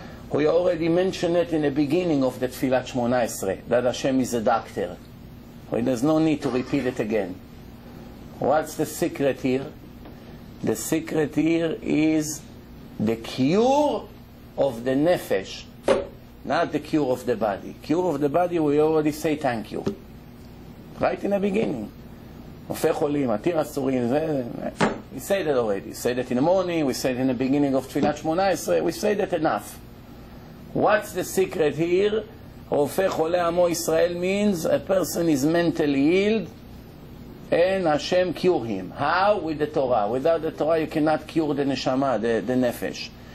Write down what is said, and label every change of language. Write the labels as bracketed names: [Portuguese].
[English] We already mentioned it in the beginning of the Tfilat Shmona Esre, that Hashem is a doctor. There's no need to repeat it again. What's the secret here? The secret here is the cure of the nefesh, not the cure of the body. Cure of the body, we already say thank you. Right in the beginning. [Hebrew] רופא חולים, עתיר אסורים, זה... [English] We say that already. We say that in the morning, we say it in the beginning of תפילת 18, we say that enough. What's the secret here? [Hebrew] רופא חולה עמו ישראל [English] means a person is mentally healed and Hashem cure him. How? With the Torah. Without the Torah you cannot cure the neshama, the nefesh.